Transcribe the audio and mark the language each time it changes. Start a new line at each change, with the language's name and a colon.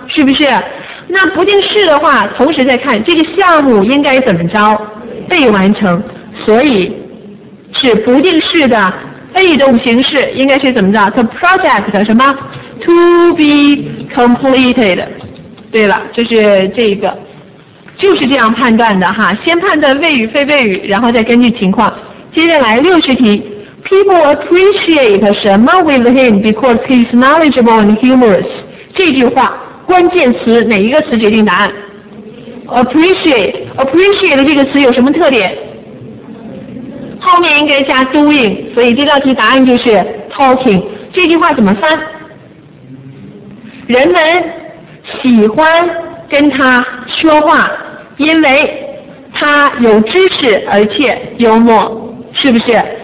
Chinese: 是不是？那不定式的话，同时再看这个项目应该怎么着被完成，所以是不定式的被动形式，应该是怎么着？
English: The project
Chinese: 什么
English: to be completed。
Chinese: 对了，就是这个，就是这样判断的哈，先判断谓语非谓语，然后再根据情况。接下来60题，
English: People appreciate
Chinese: 什么
English: with him because he's knowledgeable and humorous。
Chinese: 这句话关键词哪一个词决定答案？ appreciate 这个词有什么特点？后面应该加 doing， 所以这道题答案就是 talking。这句话怎么翻？人们喜欢跟他说话，因为他有知识而且幽默，是不是？